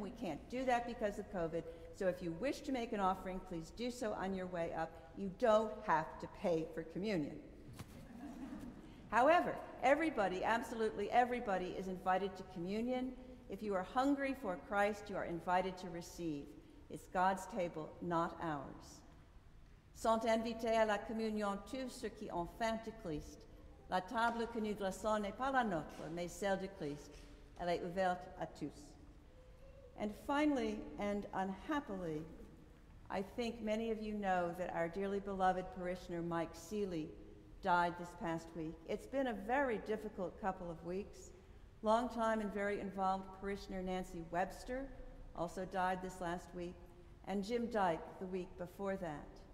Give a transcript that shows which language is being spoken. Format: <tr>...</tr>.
<en>We can't do that because of COVID. So if you wish to make an offering, please do so on your way up. You don't have to pay for communion. However, everybody, absolutely everybody, is invited to communion. If you are hungry for Christ, you are invited to receive. It's God's table, not ours.</en> <fr>Sont invités à la communion tous ceux qui ont faim de Christ. La table que nous dressons n'est pas la nôtre, mais celle de Christ. Elle est ouverte à tous.</fr> <en>And finally, and unhappily, I think many of you know that our dearly beloved parishioner Mike Seeley died this past week. It's been a very difficult couple of weeks. Longtime and very involved parishioner Nancy Webster also died this last week, and Jim Dyke the week before that.</en>